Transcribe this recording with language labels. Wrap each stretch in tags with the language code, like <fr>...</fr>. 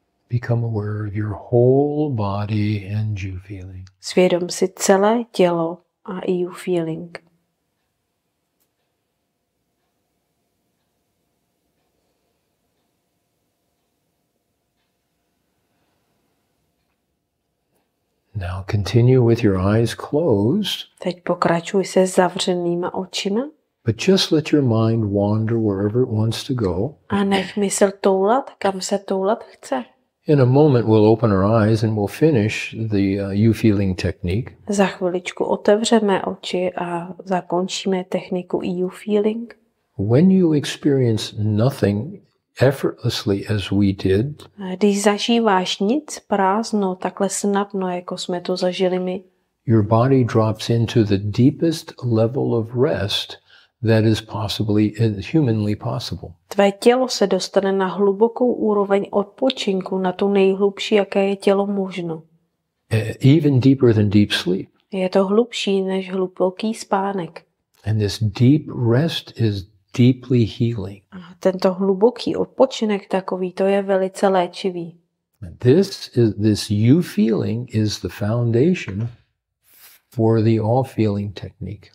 <en>Become aware of your whole body and you feeling.</en> <cs>Svědom si celé tělo a you feeling.</cs> <en>Now continue with your eyes closed.</en> <cs>Teď pokračuj se zavřenýma očima.</cs> <en>But just let your mind wander wherever it wants to go.</en> <cs>A nech mysl toulat, kam se toulat chce.</cs> <en>In a moment we'll open our eyes and we'll finish the you feeling technique.</en> <cs>Za chviličku otevřeme oči a zakončíme techniku you feeling.</cs> <en>When you experience nothing effortlessly as we did.</en> <cs>Když zažíváš nic prázdno, takhle snadno, jako jsme to zažili my.</cs> <en>Your body drops into the deepest level of rest that is possibly humanly possible.</en> <cs>Tvé tělo se dostane na hlubokou úroveň odpočinku, na tu nejhlubší, jaké je tělo možno.</cs> <en>Even deeper than deep sleep.</en> <cs>Je to hlubší než hluboký spánek.</cs> <en>And this deep rest is deeply healing.</en> <cs>A tento hluboký odpočinek takový, to je velice léčivý.</cs> <en>This you feeling is the foundation for the all feeling technique.</en>